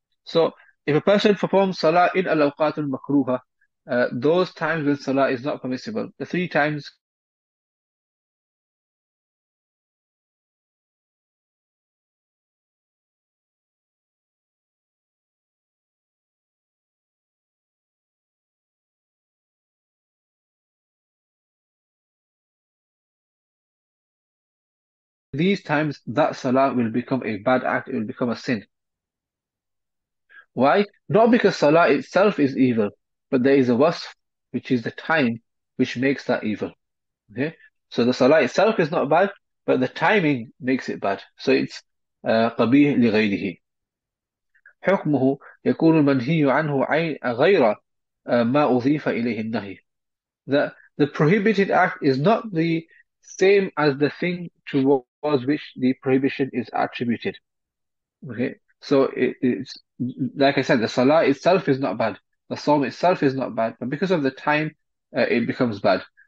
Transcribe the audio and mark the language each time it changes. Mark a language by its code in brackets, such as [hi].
[en] So if a person performs salah in al-awqat al-makruha, those times when salah is not permissible, the three times these times that salah will become a bad act, it will become a sin. Why? Not because salah itself is evil, but there is a wasf, which is the time which makes that evil. Okay, so the salah itself is not bad, but the timing makes it bad. So it's qabih li ghayrihi. [ar] حكمه يكون المنهي عنه عين غير ما أضيف إليه النهي. [en] The prohibited act is not the same as the thing to which the prohibition is attributed. Okay, so it's like I said, the salah itself is not bad, the psalm itself is not bad, but because of the time, it becomes bad.